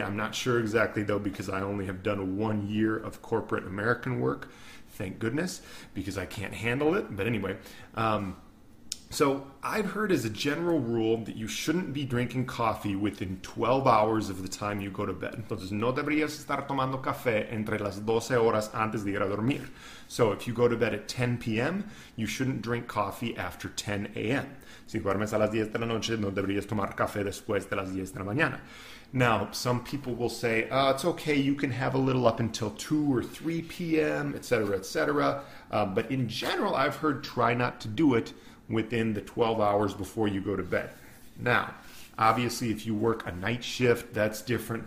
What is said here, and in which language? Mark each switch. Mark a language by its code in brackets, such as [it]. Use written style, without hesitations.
[en] I'm not sure exactly though, because I only have done 1 year of corporate American work, thank goodness, because I can't handle it. But anyway, so I've heard as a general rule that you shouldn't be drinking coffee within 12 hours of the time you go to bed. [es] Entonces, no deberías estar tomando café entre las 12 horas antes de ir a dormir. [en] So if you go to bed at 10 p.m., you shouldn't drink coffee after 10 a.m. [es] Si duermes a las 10 de la noche, no deberías tomar café después de las 10 de la mañana. [en] Now, some people will say, it's okay, you can have a little up until 2 or 3 p.m., etc., etc. But in general, I've heard try not to do it within the 12 hours before you go to bed. Now, obviously, if you work a night shift, that's different.